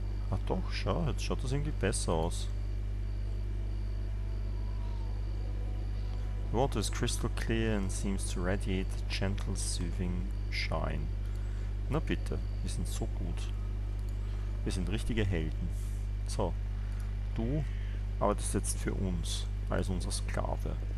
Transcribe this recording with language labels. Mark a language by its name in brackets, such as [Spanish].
[German] Ach doch, schau, jetzt schaut das irgendwie besser aus. [English] The water is crystal clear and seems to radiate a gentle soothing shine. [German] Na bitte, wir sind so gut. Wir sind richtige Helden. So, du arbeitest jetzt für uns, als unser Sklave.